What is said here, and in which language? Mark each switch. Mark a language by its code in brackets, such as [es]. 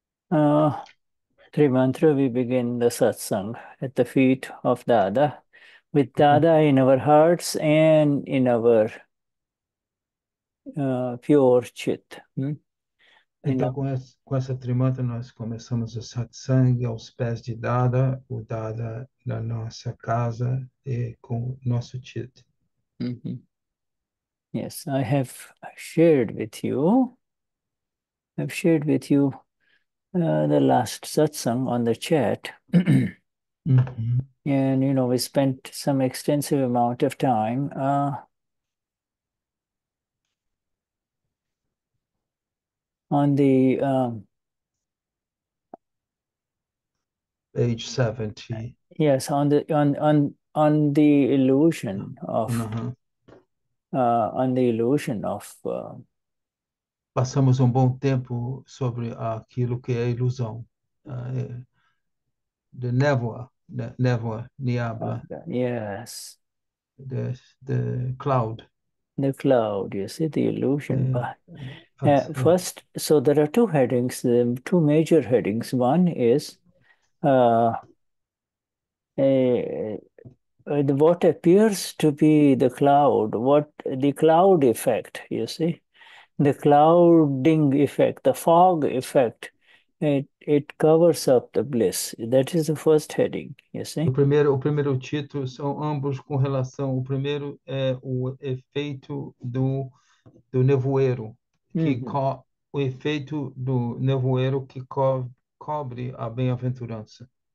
[en] that three mantra, we begin the satsang at the feet of Dada. With Dada in our hearts and in our pure chit. [pt] Então, com essa trimantra, nós começamos o satsang aos pés de Dada, o Dada na nossa casa e com o nosso chit. [en] Yes, I have shared with you. I've shared with you the last satsang on the chat. And we spent some extensive amount of time On the Page 70. yes, on the on the illusion of on the illusion of [pt] Passamos um bom tempo sobre aquilo que é ilusão. [en] The névoa, niebla, yes, the cloud. the cloud, you see the illusion Yeah. by. First, so there are two headings, two major headings. One is what appears to be the cloud, what the cloud effect, you see, the clouding effect, the fog effect, it covers up the bliss. That is the first heading, you see. [pt] O primeiro título são ambos com relação. O primeiro é o efeito do nevoeiro, que co o efeito do nevoeiro que co cobre a bem-aventurança.